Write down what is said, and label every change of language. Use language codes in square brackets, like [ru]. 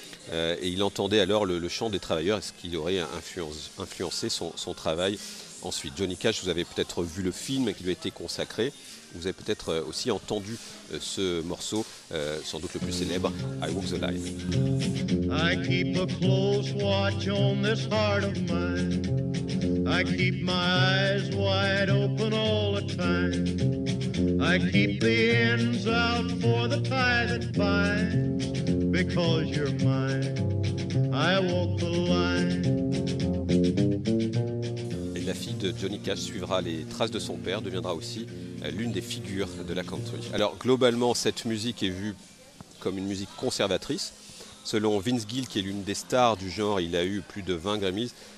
[fr] Et il entendait alors le chant des travailleurs, ce qui aurait influencé son travail ensuite. Johnny Cash, vous avez peut-être vu le film qui lui a été consacré. Vous avez peut-être aussi entendu ce morceau, sans doute le plus célèbre, I Walk the Line. [en] I keep a close watch on this heart of mine. I keep my eyes wide open all the time. I keep the ends out for the tie that binds. Because you're mine, I walk the line. [fr] Et la fille de Johnny Cash suivra les traces de son père, deviendra aussi l'une des figures de la country. Alors globalement, cette musique est vue comme une musique conservatrice. Selon Vince Gill, qui est l'une des stars du genre, il a eu plus de 20 Grammys.